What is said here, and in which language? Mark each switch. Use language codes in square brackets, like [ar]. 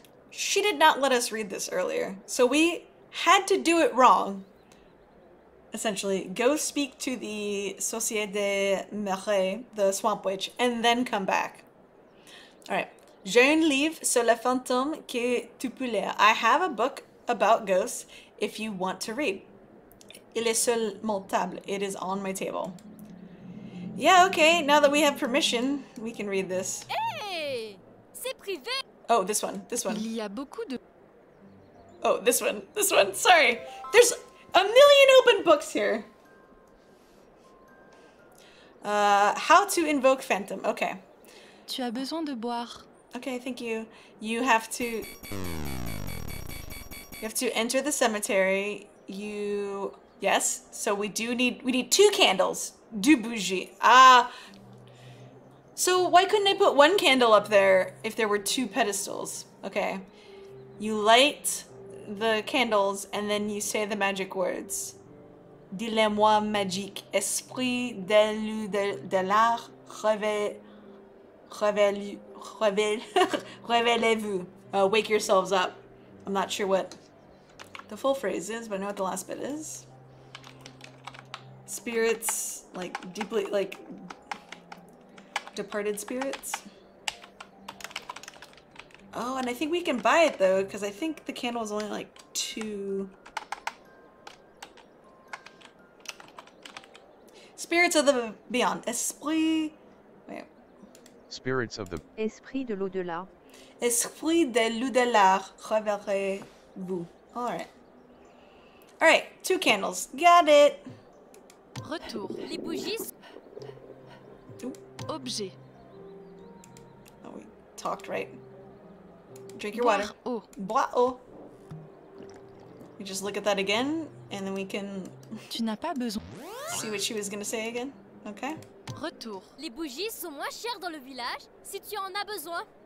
[en] She did not let us read this earlier, so we had to do it wrong. Essentially, go speak to the Société de Mère, the Swamp Witch, and then come back. All right. [fr] J'ai un livre sur le fantôme que tu peux lire. [en] I have a book about ghosts if you want to read. [fr] Il est sur mon table. [en] It is on my table. Yeah, okay. Now that we have permission, we can read this. [fr] Hey! C'est privé! [en] Oh, this one. This one. [fr] Il y a beaucoup de... [en] Oh, this one. This one. Sorry. There's a million open books here. How to invoke phantom. Okay. [fr] Tu as besoin de boire. [en] Okay, thank you. You have to enter the cemetery. Yes, so we need two candles. [fr] Deux bougies. [en] So why couldn't I put one candle up there if there were two pedestals? Okay. You light the candles and then you say the magic words. [fr] Dis-le-moi magique, esprit de l'art, réveillez-vous. [en] Wake yourselves up. I'm not sure what the full phrase is, but I know what the last bit is. Spirits, like, deeply, like, departed spirits. Oh, and I think we can buy it, though, because I think the candle is only, like, two. Spirits of the beyond. Esprit... Spirits of the... [fr] Esprit de l'au-delà. Esprit de l'au-delà, reverrez-vous. [en] All right, two candles. Got it. [fr] Retour. Les bougies. Ooh. Objet. [en] Oh, we talked right. Drink your water. [fr] Bois eau. [en] We just look at that again, and then we can... [fr] Tu n'as pas besoin. [en] See what she was going to say again. Okay. [fr] Retour. Les bougies sont moins chères dans le village si tu en as besoin.